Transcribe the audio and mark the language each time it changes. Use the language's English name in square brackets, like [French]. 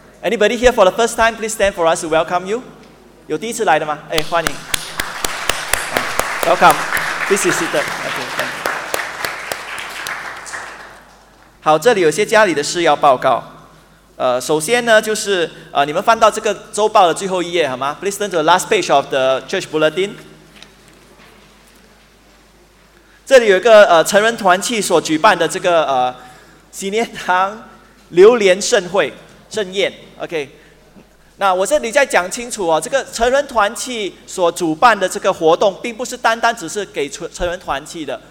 [English] Anybody here for the first time? Please stand for us to welcome you. [Chinese] 有第一次来的吗？哎，欢迎、 [English] Welcome. Please be seated. Okay, thank you. [Chinese] 好，这里有些家里的事要报告。首先呢，就是你们翻到这个周报的最后一页好吗？ [English] Please turn to the last page of the church bulletin. [Chinese] 这里有一个成人团契所举办的这个纪念堂榴莲盛会盛宴。 OK， 那我这里再讲清楚哦，这个成人团契所主办的这个活动，并不是单单只是给成人团契的。